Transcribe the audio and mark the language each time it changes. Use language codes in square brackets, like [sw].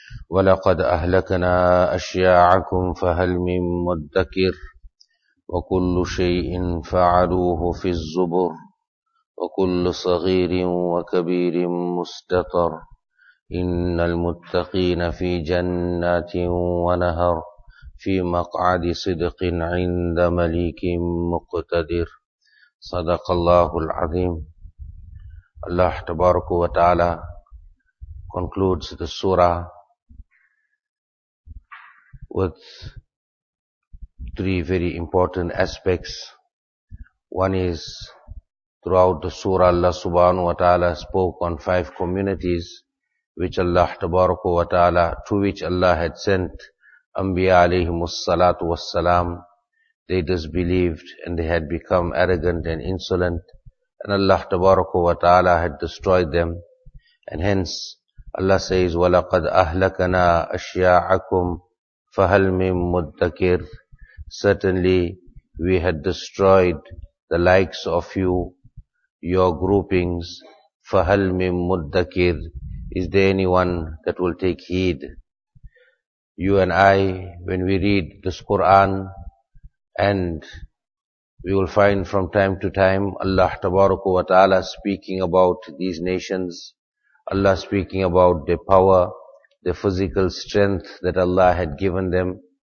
[ar] ولقد أهلكنا أشياعكم فهل من مدكر وكل شيء فعلوه في الزبر وكل صغير وكبير مستطر إن المتقين في جنات ونهر في مقعد صدق عند مليك مقتدر صدق الله العظيم. [en] Allah tabaraka wa ta'ala concludes the surah with three very important aspects. One is, throughout the surah Allah subhanahu wa ta'ala spoke on five communities which Allah tabaraka wa ta'ala, to which Allah had sent Anbiya alayhimus salatu was salam. They disbelieved and they had become arrogant and insolent, and Allah tabaraka wa ta'ala had destroyed them. And hence Allah says, [ar] وَلَقَدْ أَهْلَكَنَا أَشْيَاعَكُمْ فَهَلْ مِن مُدَّكِرٍ. [en] Certainly we had destroyed the likes of you, your groupings. [ar] فَهَلْ مِن مُدَّكِرٍ. [en] Is there anyone that will take heed? You and I, when we read this Quran, and we will find from time to time Allah tabaraka wa ta'ala speaking about these nations, Allah speaking about their power, their physical strength that Allah had given them.